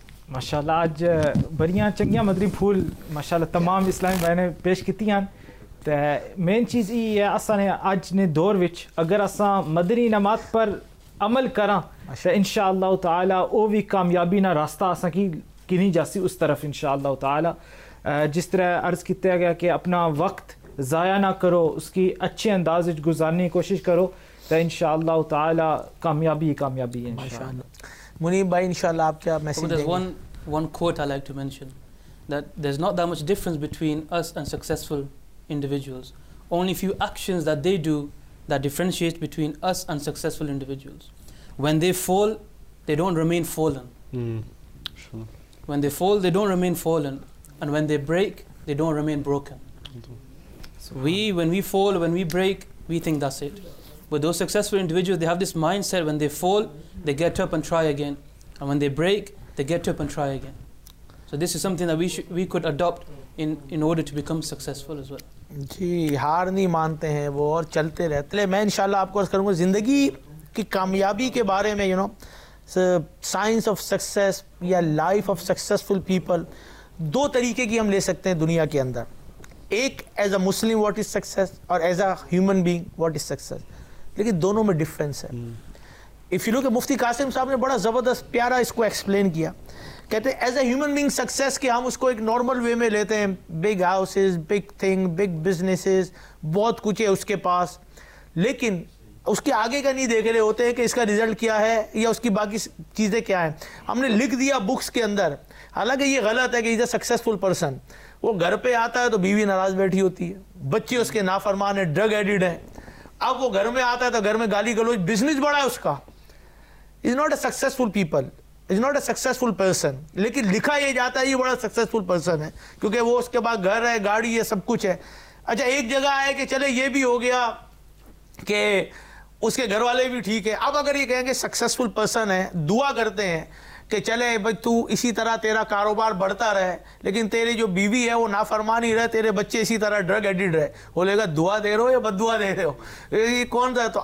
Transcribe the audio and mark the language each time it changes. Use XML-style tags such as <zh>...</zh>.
<pa>ਮਾਸ਼ਾਅੱਲਾ ਅੱਜ ਬੜੀਆਂ ਚੰਗੀਆਂ ਮਦਨੀ ਫੁੱਲ ਮਾਸ਼ਾਅੱਲਾ ਤਮਾਮ ਇਸਲਾਮੀ ਭਾਈ ਨੇ ਪੇਸ਼ ਕੀਤੀਆਂ ਅਤੇ ਮੇਨ ਚੀਜ਼ ਇਹ ਹੈ ਅਸਾਂ ਨੇ ਅੱਜ ਦੇ ਦੌਰ ਵਿੱਚ ਅਗਰ ਅਸਾਂ ਮਦਨੀ ਨਮਾਜ਼ ਪਰ ਅਮਲ ਕਰਾਂ ਤਾਂ ਇਨਸ਼ਾ ਅੱਲਾਹ ਤਾਲਾ ਉਹ ਵੀ ਕਾਮਯਾਬੀ ਨਾਲ ਰਸਤਾ ਅਸਾਂ ਕੀ ਕਿਨੀ ਜਾਸੀ ਉਸ ਤਰਫ ਇਨਸ਼ਾ ਅੱਲਾਹ ਤਾਲਾ ਜਿਸ ਤਰ੍ਹਾਂ ਅਰਜ਼ ਕੀਤਾ ਗਿਆ ਕਿ ਆਪਣਾ ਵਕਤ</pa> <ur>ضائع نہ کرو, اس کی اچھے انداز سے گزارنے کی کوشش کرو, تو انشاءاللہ تعالی کامیابی کامیابی ہے انشاءاللہ. منیب بھائی انشاءاللہ آپ کیا میسج دیں گے؟</ur> <en>One quote I like to mention, that there's not that much difference between us and successful individuals, only few actions that they do that differentiate between us and successful individuals. When they fall, they don't remain fallen. Sure. When they fall, they don't remain fallen, and when they break, they don't remain broken. When we fall, when we break, we think that's it. But those successful individuals, they have this mindset, when they fall, they get up and try again, and when they break, they get up and try again. So this is something that we could adopt in order to become successful as well.</en> <ur>جی, ہار نہیں مانتے ہیں وہ اور چلتے رہتے. میں انشاءاللہ آپ کو عرض کروں گا زندگی کی کامیابی کے بارے میں,</ur> <en>you know science of success</en> <ur>یا</ur> <en>life of successful people,</en> <ur>دو طریقے کی ہم لے سکتے ہیں دنیا کے اندر.</ur> <en>ایک as a Muslim what is success, اور as a human being what is success.</en> <ur>لیکن دونوں میں ڈفرینس ہے.</ur> <en>if you look,</en> <ur>مفتی قاسم صاحب نے بڑا زبردست پیارا اس کو ایکسپلین کیا. کہتے ہیں</ur> <en>as a human being</en> <ur>success کے ہم اس کو ایک نارمل وے میں لیتے ہیں,</ur> <en>big houses, big thing, big businesses,</en> <ur>بہت کچھ ہے اس کے پاس, لیکن اس کے آگے کا نہیں دیکھ رہے ہوتے ہیں کہ اس کا رزلٹ کیا ہے یا اس کی باقی چیزیں کیا ہیں. ہم نے لکھ دیا بکس کے اندر, حالانکہ یہ غلط ہے کہ</ur> <en>Is a successful person.</en> <ur>وہ گھر پہ آتا ہے تو بیوی ناراض بیٹھی ہوتی ہے, بچے اس کے نافرمان ہیں, ڈرگ ایڈڈ ہیں. اب وہ گھر میں آتا ہے تو گھر میں گالی گلوچ, بزنس بڑا ہے اس کا.</ur> <en>Is not a successful people, is not a successful person.</en> <ur>لیکن لکھا یہ جاتا ہے یہ بڑا سکسیزفل پرسن ہے, کیونکہ وہ اس کے پاس گھر ہے, گاڑی ہے, سب کچھ ہے. اچھا, ایک جگہ ہے کہ چلے یہ بھی ہو گیا کہ اس کے گھر والے بھی ٹھیک ہیں. اب اگر یہ کہیں گے سکسیزفل پرسن ہے, دعا کرتے ہیں کہ چلے بھائی تو اسی طرح تیرا کاروبار بڑھتا رہے, لیکن تیری جو بیوی ہے وہ نافرمان ہی رہے, تیرے بچے اسی طرح ڈرگ ایڈڈ رہے, بولے گا دعا دے رہے ہو یا بد دعا دے رہے ہو, یہ کون رہتا.</ur>